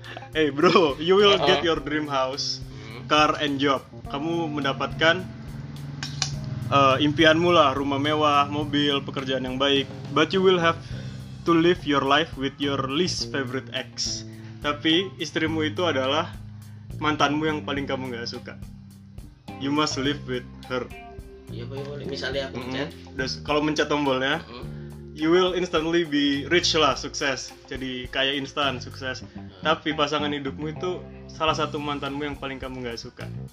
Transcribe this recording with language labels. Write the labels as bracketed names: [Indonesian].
[English] Hey bro, you will get your dream house, car and job. [Indonesian] Kamu mendapatkan impianmu lah, rumah mewah, mobil, pekerjaan yang baik. [English] But you will have to live your life with your least favorite ex. [Indonesian] Tapi istrimu itu adalah mantanmu yang paling kamu gak suka. [English] You must live with her. [Indonesian] Iya boleh, misalnya aku mencet. Kalau mencet tombolnya, [English] you will instantly be rich [Indonesian] lah, sukses. Jadi kaya instan, sukses. Tapi pasangan hidupmu itu salah satu mantanmu yang paling kamu gak suka.